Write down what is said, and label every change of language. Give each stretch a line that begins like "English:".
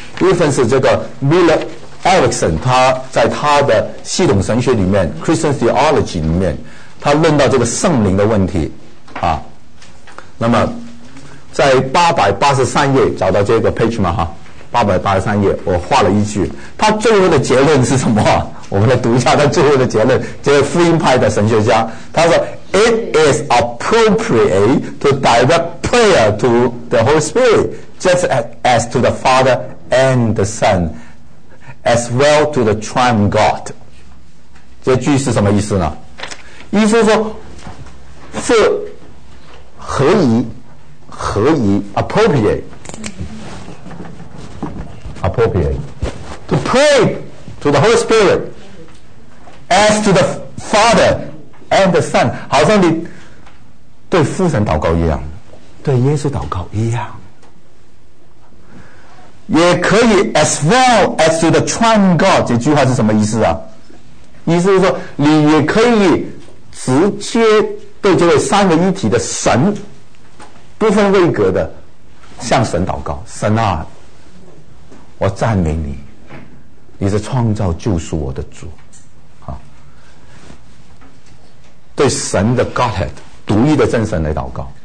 Chinese: 一份是这个 Miller Erickson， 他在他的系统神学里面 Christian Theology 里面，他论到这个圣灵的问题啊。那么在883页找到这个 page 吗？哈，883页，我画了一句，他最后的结论是什么？我们来读一下他最后的结论。这位福音派的神学家他说
English: It is appropriate to direct prayer to the Holy Spirit just as to the Father and the Son as well to the Triune God。
Chinese: 这句是什么意思呢？意思说是合宜
English: appropriate to pray to the Holy SpiritAs to the Father and the Son，
Chinese: 好像你对父神祷告一样，对耶稣祷告一样，也可以
English: as well as to the Triune God。
Chinese: 这句话是什么意思啊？意思是说你也可以直接对这位三位一体的神不分位格的向神祷告。神啊，我赞美你，你是创造救赎我的主，对神的 Godhead 独一的真神来祷告。